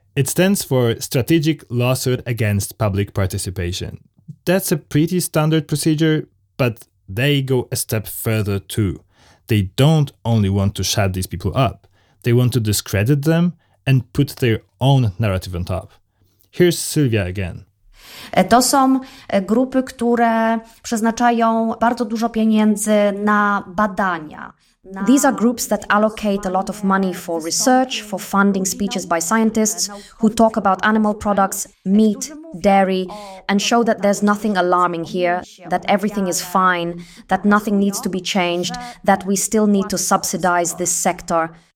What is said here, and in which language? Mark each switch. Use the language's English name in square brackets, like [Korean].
[English] It stands for Strategic Lawsuit Against Public Participation. That's a pretty standard procedure, but they go a step further too. They don't only want to shut these people up. They want to discredit them and put their own narrative on top. Here's Sylwia again. [Polish] To są grupy, które przeznaczają bardzo dużo pieniędzy na badania. [English] These are groups that allocate a lot of money for research, for funding speeches by scientists who talk about animal products, meat, dairy, and show that there's nothing alarming here, that everything is fine, that nothing needs to be changed, that we still need to subsidize this sector.